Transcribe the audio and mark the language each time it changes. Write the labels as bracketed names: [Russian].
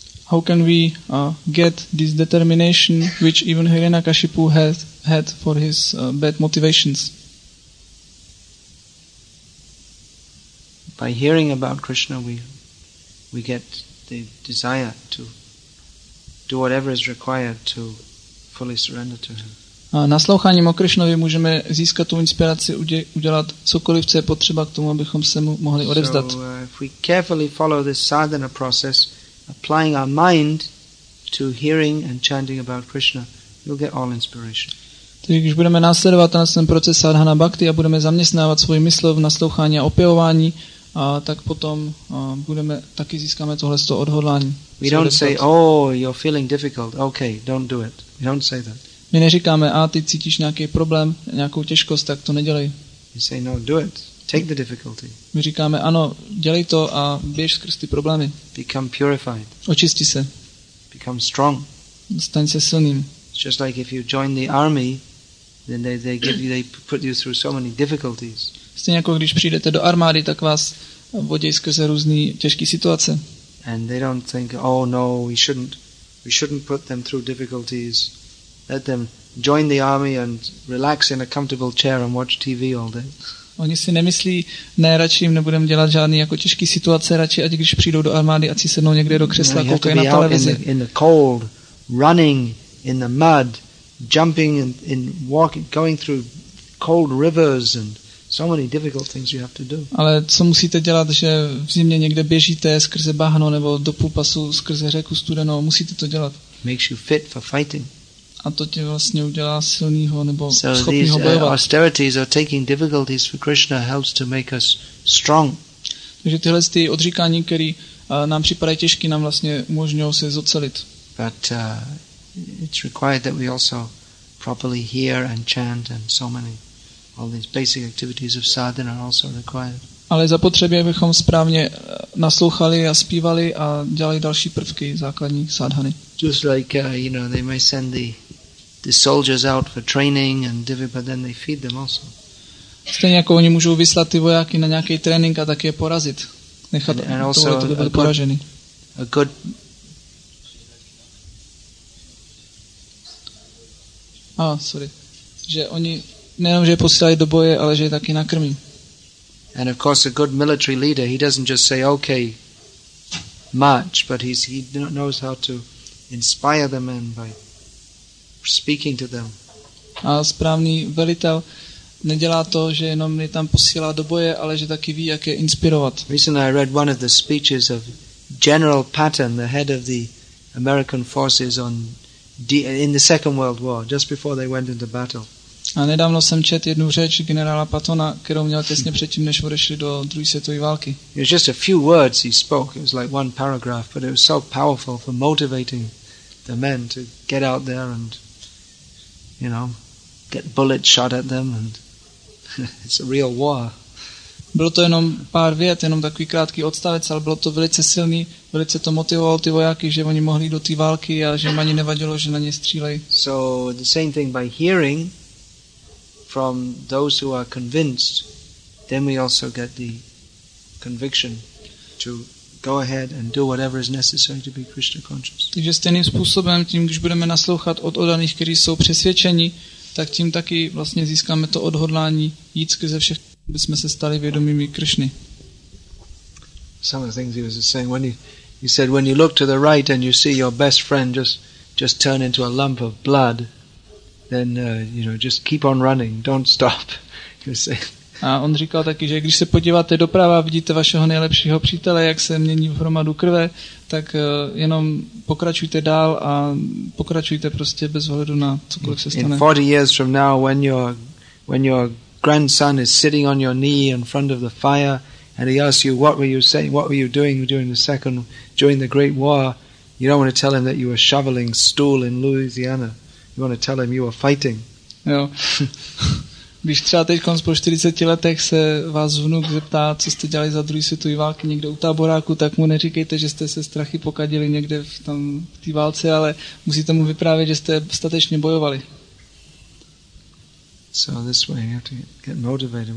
[English] How can we get this determination which even Hiranyakashipu had for his bad motivations? By hearing about Krishna, we get the desire to do whatever is required to fully surrender to him. [Czech] Nasloucháním o Krishnovi můžeme získat tu inspiraci udělat cokoliv, co je potřeba k tomu, abychom se mu mohli odevzdat. [English] So, if we carefully follow this sadhana process, applying our mind to hearing and chanting about Krishna, you'll get all inspiration. [Czech] Takže když budeme následovat ten proces sadhana bhakti a budeme zaměstnávat svůj mysl v naslouchání a opěvování, tak potom budeme taky získáme tohle z toho odhodlání. [English] We don't say, oh, you're feeling difficult. Okay, don't do it. We don't say that. [Czech] My neříkáme, a ty cítíš nějaký problém, nějakou těžkost, tak to nedělej. [English] We say, no, do it. Take the difficulty. [Czech] My říkáme, ano, dělej to a běž skrz ty problémy. [English] Become purified. [Czech] Očisti se. [English] Become strong. [Czech] Staň se silným. [English] It's just like if you join the army, then they put you through so many difficulties. [Czech] Stejně jako když přijdete do armády, tak vás vodí skrze různé těžké situace. [English] And they don't think, oh no, we shouldn't put them through difficulties. Let them join the army and relax in a comfortable chair and watch TV all day. [Czech] Oni si nemyslí, ne, radši jim nebudeme dělat žádný jako těžké situace, radši ať když přijdou do armády, ať si sednou někde do křesla, no, koukají na televizi. [English] In the cold, running in the mud, jumping in walking, going through cold rivers and so many difficult things you have to do. [Czech] Ale co musíte dělat, že v zimě někde běžíte skrze bahno nebo do půlpasu skrze řeku studenou, musíte to dělat. [English] Makes you fit for fighting. [Czech] A to tě vlastně udělá silnýho nebo [English] so [Czech] schopnýho [English] these, [Czech] bojovat. [English] Austerities or taking difficulties for Krishna helps to make us strong. [Czech] Takže tyhle ty odříkání, které nám připadají těžké, nám vlastně umožňují se zocelit. [English] But it's required that we also properly hear and chant and so many. All these basic activities of sadhana are also required. [Czech] Ale zapotřebí, abychom správně naslouchali a zpívali a dělali další prvky základní sadhany. [English] Just like you know, they may send the soldiers out for training and divi, but then they feed them also. [Czech] Stejně jako oni můžou vyslat ty vojáky na nějaký trénink a taky je porazit, nechat [English] and also [Czech] to být poražený. Že oni nejenom, že je posílají do boje, ale že je taky nakrmí. [English] And of course a good military leader, he doesn't just say okay, march, but he knows how to inspire the men by speaking to them. [Czech] A správný velitel nedělá to, že jenom mě tam posílá do boje, ale že taky ví, jak je inspirovat. [English] Recently I read one of the speeches of General Patton, the head of the American forces on in the Second World War, just before they went into battle. [Czech] A nedávno jsem četl jednu řeč generála Pattona, kterou měl těsně předtím, než odešli do druhé světové války. [English] It was just a few words he spoke. It was like one paragraph, but it was so powerful for motivating the men to get out there and, you know, get bullets shot at them, and it's a real war. [Czech] Bylo to jenom pár vět, jenom takový krátký odstavec, ale bylo to velice silný, velice to motivovalo ty vojáky, že oni mohli do té války a že jim ani nevadilo, že na ně střílej. [English] So the same thing by hearing from those who are convinced, then we also get the conviction to go ahead and do whatever is necessary to be Krishna conscious. [Czech] Takže stejným způsobem, tím, když budeme naslouchat od odaných, kteří jsou přesvědčeni, tak tím taky vlastně získáme to odhodlání jít skrze všech, aby jsme se stali vědomými Krišny. [English] Some of the things he was saying, when he said, when you look to the right and you see your best friend just turn into a lump of blood, then you know, just keep on running, don't stop. [Czech] A on říkal taky, že když se podíváte doprava, vidíte vašeho nejlepšího přítele, jak se mění v hromadu krve, tak jenom pokračujte dál a pokračujte prostě bez ohledu na cokoliv se stane. [English] In 40 years from now, when your grandson is sitting on your knee in front of the fire and he asks you, what were you saying, what were you doing during the Great War, you don't want to tell him that you were shoveling stool in Louisiana. You want to tell him you were fighting. [Czech] Jo. Když třeba teďkon po 40 letech se vás vnuk zeptá, co jste dělali za druhý světový války někde u táboráku, tak mu neříkejte, že jste se strachy pokadili někde v té válce, ale musíte mu vyprávět, že jste statečně bojovali. [English] So this way you have to get motivated.